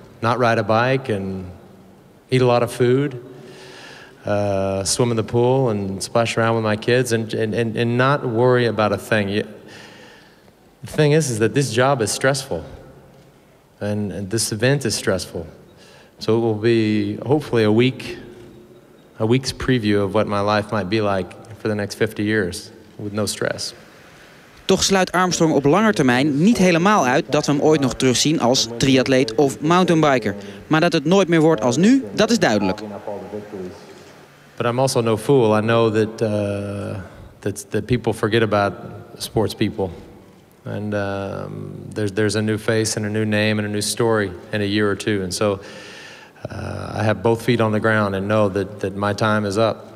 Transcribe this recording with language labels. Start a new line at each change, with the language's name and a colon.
English: Not ride a bike and eat a lot of food, swim in the pool and splash around with my kids and not worry about a thing. The thing is that this job is stressful and this event is stressful. So it will be hopefully a week's preview of what my life might be like for the next 50 years. with no stress.
Dutch: Toch sluit Armstrong op lange termijn niet helemaal uit dat we hem ooit nog terugzien als triatleet of mountainbiker. Maar dat het nooit meer wordt als nu, dat is duidelijk.
English: But I'm also no fool. I know that that people forget about sports people. And there's a new face and a new name and a new story in a year or two. And so I have both feet on the ground and know that my time is up.